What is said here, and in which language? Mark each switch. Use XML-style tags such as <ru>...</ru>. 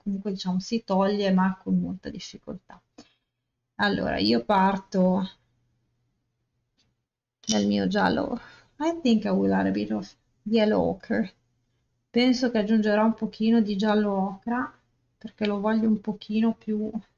<it>Comunque, diciamo, si toglie, ma con molta difficoltà. Allora, io parto dal mio giallo.</it> <en>I think I will add a bit of yellow ochre.</en> <it>Penso che aggiungerò un pochino di giallo ocra, perché lo voglio un pochino più.</it>